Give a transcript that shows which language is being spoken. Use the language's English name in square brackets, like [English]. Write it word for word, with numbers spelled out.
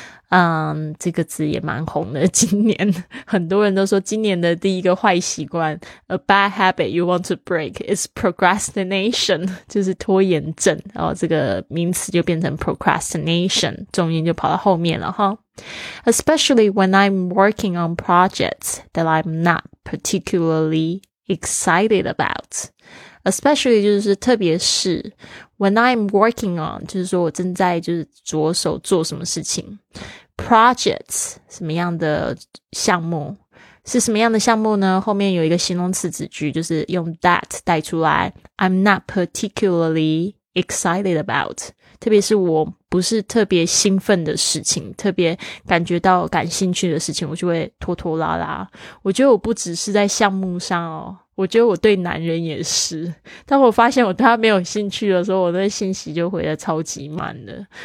[Chinese] 嗯，这个词也蛮红的，今年很多人都说今年的第一个坏习惯 [English] A bad habit you want to break is procrastination， [Chinese] 就是拖延症，然后这个名词就变成 procrastination， 重音就跑到后面了哈。 [English] Especially when I'm working on projects that I'm not particularly excited about， especially [Chinese] 就是特别是 [English] when I'm working on [Chinese] 就是说我正在就是着手做什么事情， [English] projects [Chinese] 什么样的项目，是什么样的项目呢？后面有一个形容词子句，就是用 that 带出来， [English] I'm not particularly excited about， [Chinese] 特别是我不是特别兴奋的事情，特别感觉到感兴趣的事情，我就会拖拖拉拉。我觉得我不只是在项目上哦，我觉得我对男人也是，当我发现我对他没有兴趣的时候，我的信息就回得超级慢的。